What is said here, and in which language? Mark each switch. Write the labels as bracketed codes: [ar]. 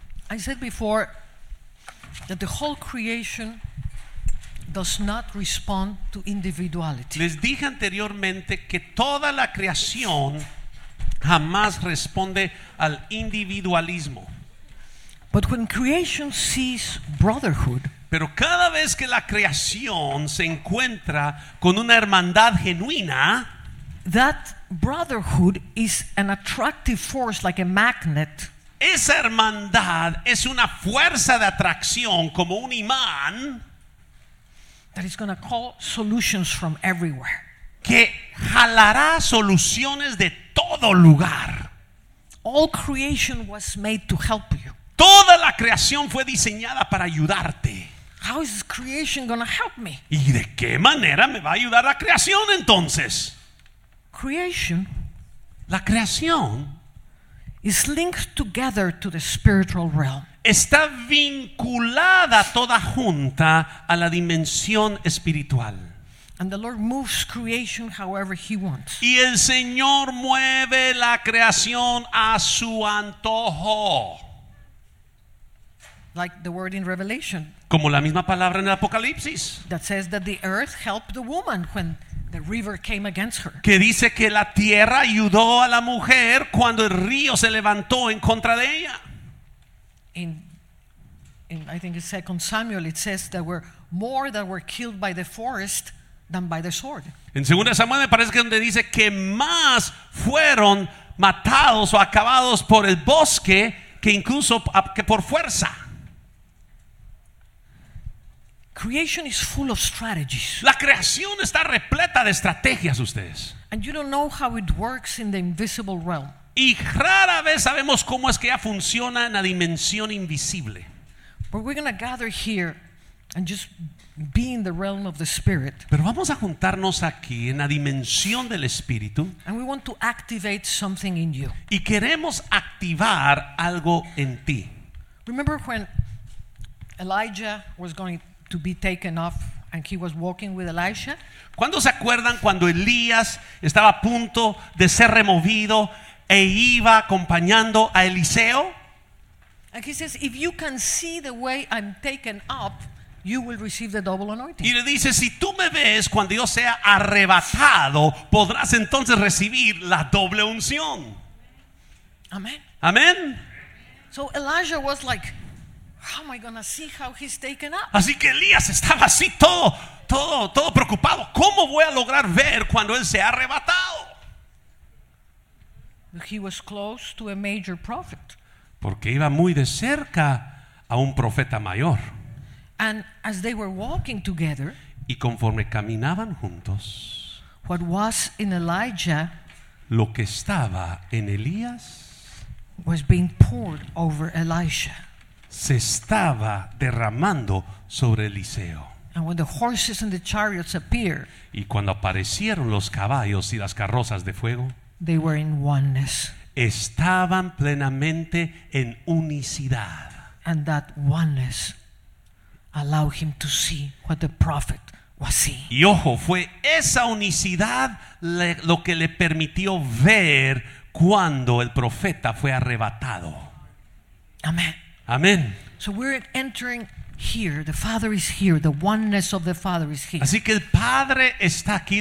[en] I said before that the whole creation does not respond to individuality. [es] Les dije anteriormente que toda la creación jamás responde al individualismo. [en] But when creation sees brotherhood, [es] pero cada vez que la creación se encuentra con una hermandad genuina, [en] that brotherhood is an attractive force like a magnet. [es] Esa hermandad es una fuerza de atracción como un imán [en] that is going to call solutions from everywhere. [es] Que jalará soluciones de todo lugar. [en] All creation was made to help you. [es] Toda la creación fue diseñada para ayudarte. [en] How is creation going to help me? [es] ¿Y de qué manera me va a ayudar la creación entonces? [en] Creation, [es] la creación, [en] is linked together to the spiritual realm. [es] Está vinculada toda junta a la dimensión espiritual. [en] And the Lord moves creation however He wants. [es] Y el Señor mueve la creación a su antojo. [en] Like the word in Revelation. [es] Como la misma palabra en el Apocalipsis. [en] That says that the earth helped the woman when the river came against her. [es] Que dice que la tierra ayudó a la mujer cuando el río se levantó en contra de ella. [en] In I think it's 2 Samuel, it says there were more that were killed by the forest than by the sword. [es] En 2 Samuel me parece que donde dice que más fueron matados o acabados por el bosque que incluso que por fuerza. [en] Creation is full of strategies. [es] La creación está repleta de estrategias, ustedes. [en] And you don't know how it works in the invisible realm. [es] Y rara vez sabemos cómo es que ya funciona en la dimensión invisible. [en] But we're going to gather here and just be in the realm of the spirit. [es] Pero vamos a juntarnos aquí en la dimensión del espíritu. [en] And we want to activate something in you. [es] Y queremos activar algo en ti. [en] Remember when Elijah was going to be taken off and he was walking with Elisha? [es] ¿Cuándo se acuerdan cuando Elías estaba a punto de ser removido e iba acompañando a Eliseo? [en] And he says, if you can see the way I'm taken up, you will receive the double anointing. [es] Y le dice, si tú me ves cuando yo sea arrebatado, podrás entonces recibir la doble unción. Amen. Amen. [en] So Elijah was like, how am I going to see how he's taken up? [es] Así que Elías estaba así todo preocupado. ¿Cómo voy a lograr ver cuando él se ha arrebatado? [en] He was close to a major prophet. [es] Porque iba muy de cerca a un profeta mayor. [en] And as they were walking together, [es] y conforme caminaban juntos, [en] what was in Elijah, [es] lo que estaba en Elías, [en] was being poured over Elisha. [es] Se estaba derramando sobre Eliseo. [en] And when the horses and the chariots appear, [es] y cuando aparecieron los caballos y las carrozas de fuego, [en] they were in oneness. [es] Estaban plenamente en unicidad. [en] And that oneness allowed him to see what the prophet was seeing. [es] Y ojo, fue esa unicidad lo que le permitió ver cuando el profeta fue arrebatado. Amén. Amen. [en] So we're entering here. The Father is here. The oneness of the Father is here. [es] Así que el Padre está aquí.